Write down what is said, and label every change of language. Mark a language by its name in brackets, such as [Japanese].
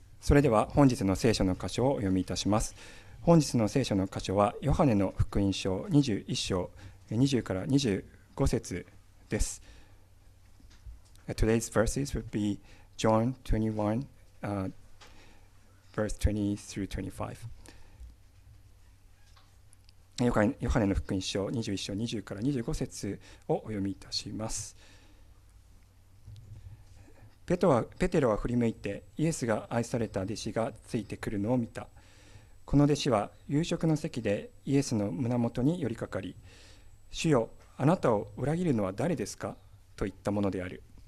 [Japanese] それでは本日の聖書の箇所をお読みいたします。本日の聖書の箇所はヨハネの福音書21章20から25節です。 [English] Today's verses would be John 21 verse 20 through 25。 [Japanese] ヨハネの福音書21章20から25節をお読みいたします。ペテロは振り向いて、イエスが愛された弟子がついてくるのを見た。この弟子は夕食の席でイエスの胸元に寄りかかり、主よ、あなたを裏切るのは誰ですかと言ったものである。